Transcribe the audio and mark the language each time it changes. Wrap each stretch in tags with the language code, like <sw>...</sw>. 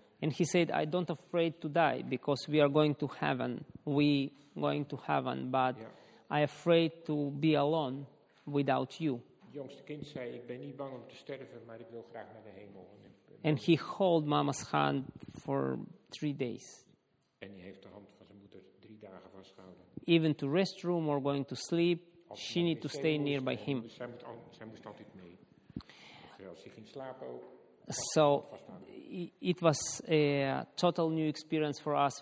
<en>And he said, I don't afraid to die because we are going to heaven. We going to heaven, but yeah. I afraid to be alone without you.</en> <nl>Het jongste kind zei, ik ben niet bang om te sterven, maar ik wil graag naar de hemel.</nl> <en>And he held mama's hand for 3 days.</en> <nl>En hij heeft de hand van zijn moeder 3 dagen vastgehouden.</nl> <en>Even to restroom or going to sleep, she need to stay nearby him.</en> <nl>Zij moest altijd mee. Als hij ging slapen ook.</nl> <en>So, it was a total new experience for us.</en>